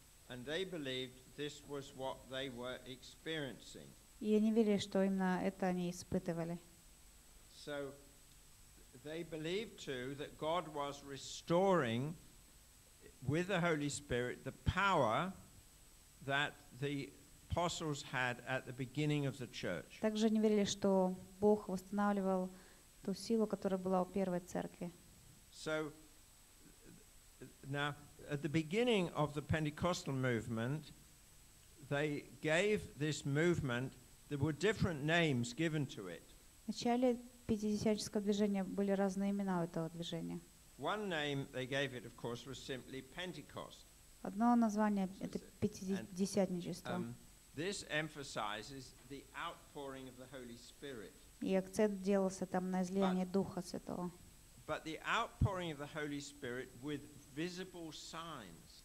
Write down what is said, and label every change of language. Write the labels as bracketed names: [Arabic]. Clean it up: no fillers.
[Russian] И они верили, что именно это они испытывали. [English] So they believed too that God was restoring with the Holy Spirit the power that the apostles had at the beginning of the church. [Russian] Также они верили, что Бог восстанавливал ту силу, которая была у первой церкви. [English] So now at the beginning of the Pentecostal movement, they gave this movement, there were different names given to it. [Russian] В начале пятидесятнического движения были разные имена у этого движения. [English] One name they gave it, of course, was simply Pentecost. [Russian] Одно название — это пятидесятничество. [English] This emphasizes the outpouring of the Holy Spirit. [Russian] И акцент делался там на излияние Духа Святого. [English] But the outpouring of the Holy Spirit with visible signs.